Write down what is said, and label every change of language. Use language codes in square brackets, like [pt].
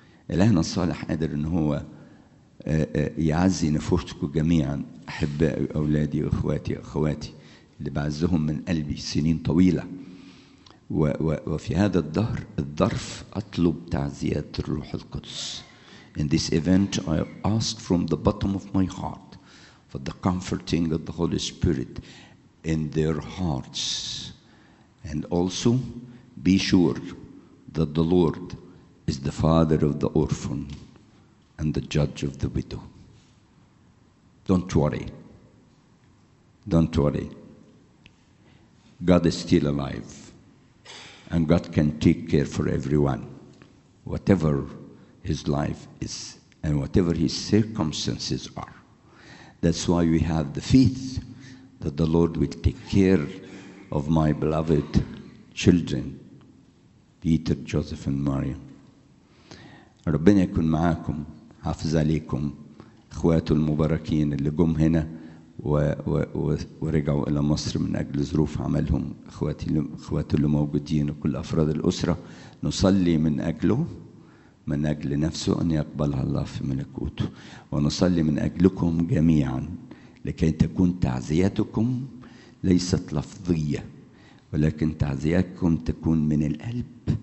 [ar] الهنا الصالح قادر ان هو يعزي نفوسكم جميعا احبائي اولادي واخواتي اخواتي اللي بعزهم من قلبي سنين طويله، وفي هذا الدهر الظرف اطلب تعزيات الروح القدس. [en] In this event I ask from the bottom of my heart for the comforting of the Holy Spirit in their hearts, and also be sure that the Lord is the father of the orphan and the judge of the widow. Don't worry. Don't worry. God is still alive. And God can take care for everyone, whatever his life is and whatever his circumstances are. That's why we have the faith that the Lord will take care of my beloved children, Peter, Joseph, and Maria. [ar] ربنا يكون معاكم، حافظ عليكم، اخواته المباركين اللي جم هنا ورجعوا الى مصر من اجل ظروف عملهم، اخواتي اللي موجودين وكل افراد الاسره، نصلي من اجله، من اجل نفسه ان يقبلها الله في ملكوته، ونصلي من اجلكم جميعا لكي تكون تعزيتكم ليست لفظيه ولكن تعزيتكم تكون من القلب،